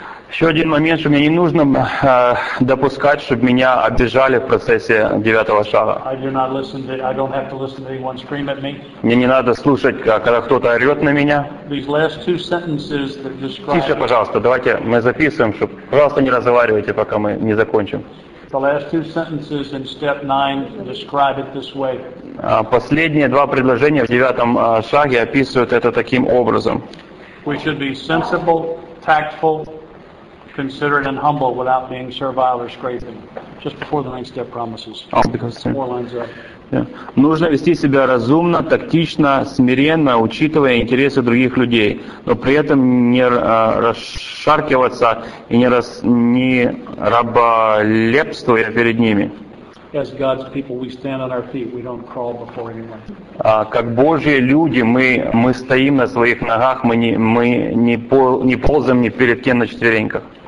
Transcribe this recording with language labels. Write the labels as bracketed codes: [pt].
[ru] Еще один момент, что мне не нужно допускать, чтобы меня обижали в процессе девятого шага. Мне не надо слушать, когда кто-то орет на меня. Тише, пожалуйста, давайте мы записываем, чтобы, пожалуйста, не разговаривайте, пока мы не закончим. [en] The last two sentences in step 9 describe it this way. [ru] Последние два предложения в девятом шаге описывают это таким образом. [en] We should be sensible, tactful, considerate and humble without being servile or scraping. Just before the ninth step promises. Four lines up. [ru] Нужно вести себя разумно, тактично, смиренно, учитывая интересы других людей, но при этом не расшаркиваться и не раболепствуя перед ними. Как Божьи люди, мы стоим на своих ногах, мы не ползаем ни перед кем на четвереньках.